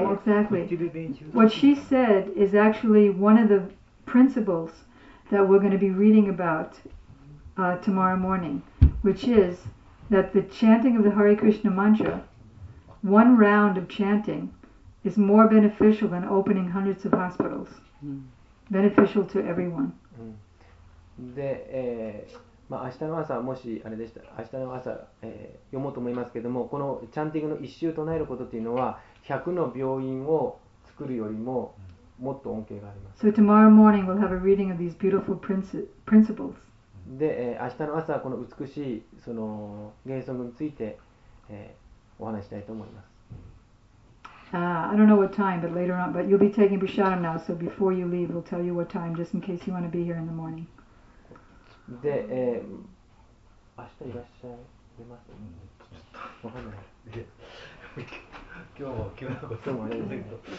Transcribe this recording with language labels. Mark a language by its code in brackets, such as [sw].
[en] What she said is actually one of the principles that we're going to be reading about tomorrow morning, which is that the chanting of the Hare Krishna mantra, one round of chanting, is more beneficial than opening hundreds of hospitals. Mm. Beneficial to everyone. Mm. [ja] で、まあ、明日の朝、もしあれでした、明日の朝、読もうと思いますけども、このチャンティングの一周唱えることというのは、100の病院を作るよりももっと恩恵があります。 [en] So tomorrow morning we'll have a reading of these beautiful principles. [ja] で、明日の朝、この美しいその原則について、お話したいと思います。 [en] I don't know what time, but later on, but you'll be taking Bhushanam now, so before you leave, we'll tell you what time, just in case you want to be here in the morning. [ja] で、明日いらっしゃいます。ちょっと、わかんない。今日は決めたこともありませんけど。